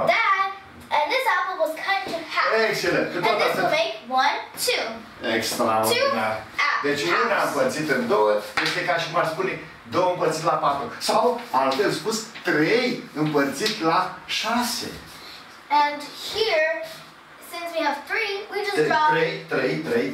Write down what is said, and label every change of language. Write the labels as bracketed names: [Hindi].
[English] That, and this apple was cut into half. [Romanian] Excelent. [English] And this will make one, two. [Romanian] Extraordinar. Deci [English] apples. [Romanian] Una împărțită în două, este ca și cum ar spune două împărțit la patru. Sau, altfel spus, trei împărțit la șase. [English] And here, since we have three, we just draw...